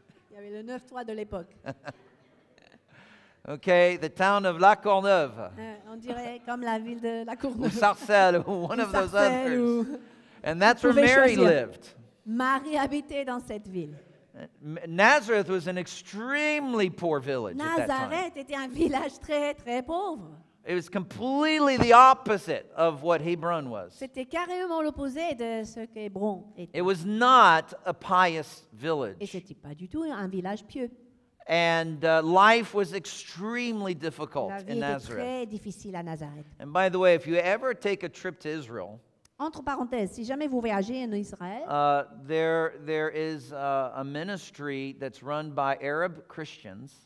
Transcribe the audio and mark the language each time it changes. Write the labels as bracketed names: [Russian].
[French] Il y avait le Neuf-Trois de l'époque. [English] Okay, the town of La Courneuve. [French] On dirait comme la ville de La Courneuve. Ou Sarcelles, ou [English] one of those others. And that's where Mary lived. [French] Marie habitait dans cette ville. [English] Nazareth was an extremely poor village [French] Nazareth [English] at that time. [French] Était un village très, très pauvre. [English] It was completely the opposite of what Hebron was. [French] C'était carrément l'opposé de ce qu'Hébron était. [English] It was not a pious village. [French] Et c'était pas du tout un village pieux. [English] And life was extremely difficult in Nazareth. [French] La vie était très difficile à Nazareth. [English] And by the way, if you ever take a trip to Israel, [French] entre parenthèses, si jamais vous voyagez en Israël, [English] there is a ministry that's run by Arab Christians.